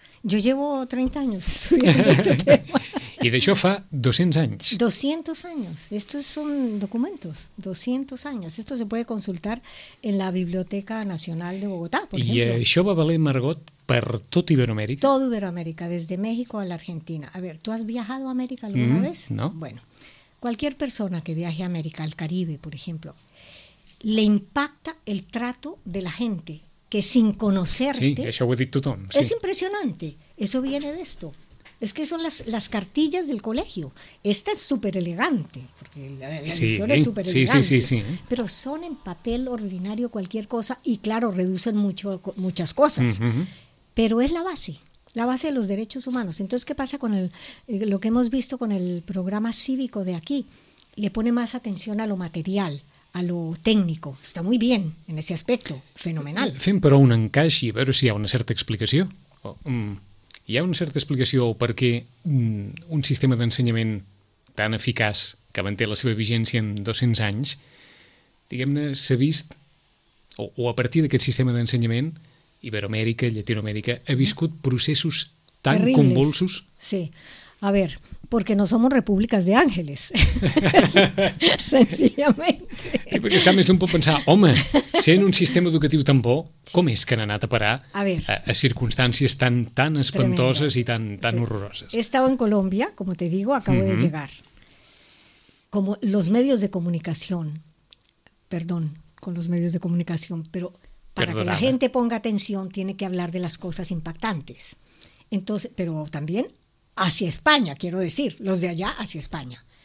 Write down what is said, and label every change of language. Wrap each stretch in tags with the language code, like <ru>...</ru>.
<es>Yo llevo 30 años estudiando este tema.</es> <ca>I d'això fa 200 anys.</ca> <es>200 años. Estos son documentos. 200 años. Esto se puede consultar en la Biblioteca Nacional de Bogotá, por</es> <ca>I</ca> <es>ejemplo.</es> <ca>I això va valer, Margot, per tot Iberoamèrica?</ca> <es>Todo Iberoamérica, desde México a la Argentina. A ver, ¿tú has viajado a América alguna vez? No. Bueno, cualquier persona que viaje a América, al Caribe, por ejemplo, le impacta el trato de la gente que sin conocerte...</es> <ca>Sí, això ho he dit tothom. Sí.</ca> <es>Es impresionante. Eso viene de esto. Es que son las cartillas del colegio. Esta es súper elegante, porque la edición es súper elegante. Sí, sí, sí, sí. Pero son en papel ordinario cualquier cosa y, claro, reducen muchas cosas. Uh-huh. Pero es la base de los derechos humanos. Entonces, ¿qué pasa con lo que hemos visto con el programa cívico de aquí? Le pone más atención a lo material, a lo técnico. Está muy bien en ese aspecto, fenomenal.</es> <ca>Fem però un encaix i a veure si hi ha una certa explicació. Hi ha una certa explicació per què un sistema d'ensenyament tan eficaç que manté la seva vigència en 200 anys, diguem-ne, s'ha vist, o a partir d'aquest sistema d'ensenyament, Iberoamèrica, Llatinoamèrica, ha viscut processos tan terribles, convulsos?</ca> <es>Sí. A ver, porque no somos repúblicas de ángeles, sencillamente.</es> <ca>I perquè, és que a més d'un pot pensar, home, sent un sistema educatiu tan bo, com és que han anat a parar a circumstàncies tan, tan espantoses i tan, tan horroroses?</ca> <es>He estado en Colombia, como te digo, acabo de llegar. Como los medios de comunicación, perdón, con los medios de comunicación, pero para que la gente ponga atención tiene que hablar de las cosas impactantes. Entonces, pero también hacia España, quiero decir, los de allá hacia España.</es>